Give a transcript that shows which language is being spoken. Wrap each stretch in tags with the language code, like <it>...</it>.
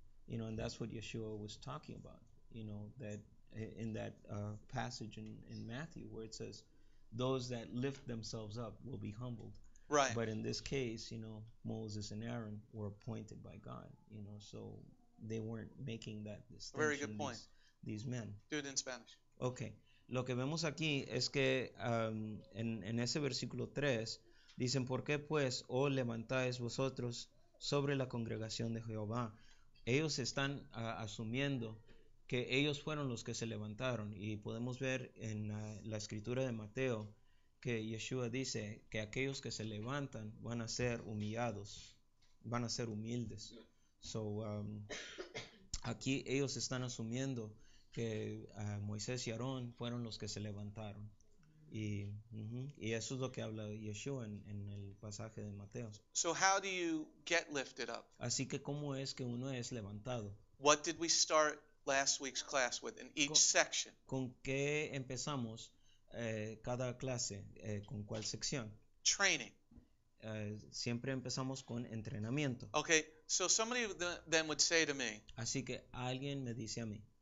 <en>You know, and that's what Yeshua was talking about, you know, that in that passage in Matthew where it says, those that lift themselves up will be humbled. Right. But in this case, you know, Moses and Aaron were appointed by God, you know, so they weren't making that distinction. Very good point. These men. Do it in Spanish. Okay.</en> <es>Lo que vemos aquí es que en ese versículo 3 dicen, ¿por qué pues, oh, levantáis vosotros sobre la congregación de Jehová? Ellos están asumiendo que ellos fueron los que se levantaron. Y podemos ver en la escritura de Mateo que Yeshua dice que aquellos que se levantan van a ser humillados, van a ser humildes. So, aquí ellos están asumiendo que Moisés y Aarón fueron los que se levantaron. Y, y eso es lo que habla Yeshua en el pasaje de Mateo.</es> <en>So how do you get lifted up?</en> <es>Así que, ¿cómo es que uno es levantado?</es> <en>What did we start last week's class with in each section?</en> <es>¿Con qué empezamos cada clase? ¿Con cuál sección?</es> <en>Training.</en> <es>Siempre empezamos con entrenamiento.</es> <en>Okay, so somebody then would say to me.</en> <es>Así que alguien me dice a mí.</es>